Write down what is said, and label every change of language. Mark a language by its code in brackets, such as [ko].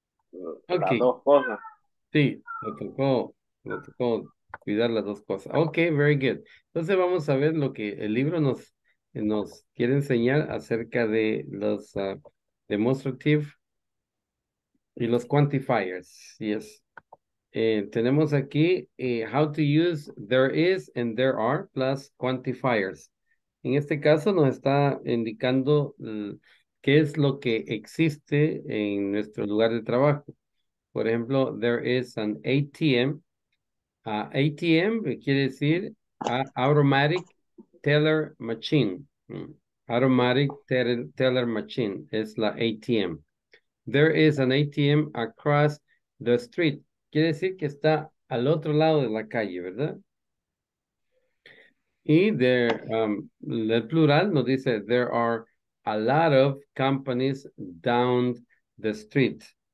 [es] Okay. Las dos cosas. Sí, lo tocó cuidar las dos cosas. [en] Ok, very good. [es] Entonces vamos a ver lo que el libro nos quiere enseñar acerca de los demonstrative y los quantifiers. [en] Yes. [es] Tenemos aquí [en] how to use there is and there are plus quantifiers. [es] En este caso nos está indicando qué es lo que existe en nuestro lugar de trabajo. Por ejemplo, [en] there is an ATM. ATM [es] quiere decir [en] automatic teller machine. Automatic teller machine [es] es la [en] ATM. There is an ATM across the street. [es] Quiere decir que está al otro lado de la calle, ¿verdad? Y el plural nos dice, [en] there are a lot of companies down the street.